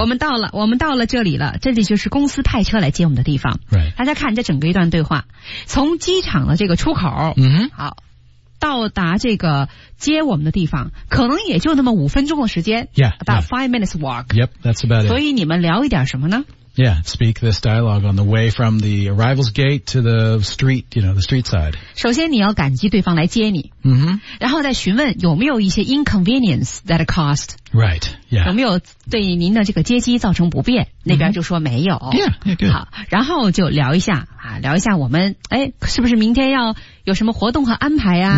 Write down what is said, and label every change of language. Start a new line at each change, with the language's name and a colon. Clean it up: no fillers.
Chinese: 我们到了，我们到了这里了。这里就是公司派车来接我们的地方。
English: Right,
Chinese: 大家看这整个一段对话，从机场的这个出口，嗯、mm-hmm. ，好，到达这个接我们的地方，可能也就那么五分钟的时间。
English: Yeah, about five minutes walk. Yep, that's about it.
Chinese: 所以你们聊一点什么呢？
English: Yeah, speak this dialogue on the way from the arrivals gate to the street, you know, the street side.
Chinese: 首先你要感激对方来接你。 Mm-hmm. 然后再询问有没有一些
English: inconvenience that caused. Right, yeah.
Chinese: 有没有对您的这个接机造成不便、mm-hmm. 那边就说没有。
English: Yeah, yeah, good.
Chinese: 好，然后就聊一下啊，聊一下我们哎，是不是明天要有什么活动和安排啊、